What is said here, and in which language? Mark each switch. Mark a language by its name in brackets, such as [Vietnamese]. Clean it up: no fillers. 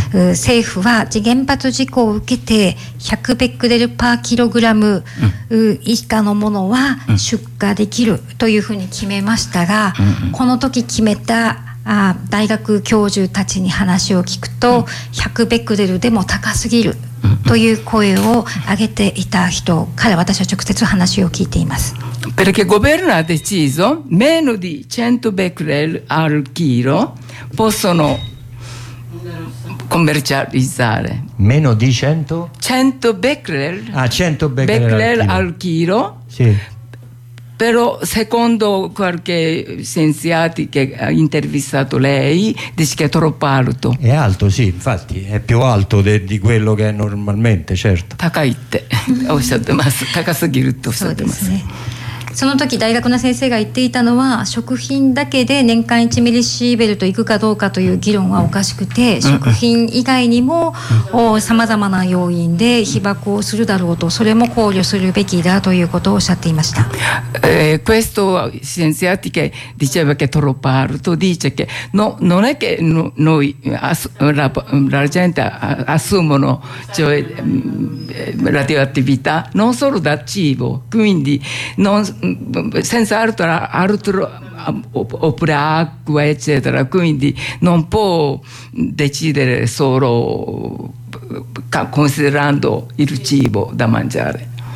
[Japanese] 政府は原発事故を受けて100ベクレルパーキログラム以下のものは出荷できるというふうに決めましたが、この時決めた大学教授たちに話を聞くと100ベクレルでも高すぎるという声を上げていた人から私は直接話を聞いています。 [Italian] Perché il governo ha deciso meno di 100 becquerel al chilo possono commercializzare. Meno di 100? 100 becquerel. Ah, 100 becquerel al chilo. Sì. Però secondo qualche scienziato che ha intervistato lei, dice che è troppo alto. È alto, sì, infatti, è più alto di quello che è normalmente, certo. [Japanese] Takaitte, [Italian] ho detto, ma [Japanese] takasugirutto, [Italian] ho detto, ma sì. [Japanese] その時大学の先生が言っていたのは、食品だけで年間1ミリシーベルトいくかどうかという議論はおかしくて、食品以外にも様々な要因で被爆をするだろうと、それも考慮するべきだということをおっしゃっていました。 [Italian] Questo scienziato che diceva che troppo alto dice che non è che noi la gente assumono cioè radioattività non solo da cibo, quindi non senza altro oppure acqua eccetera, quindi non può decidere solo considerando il cibo da mangiare.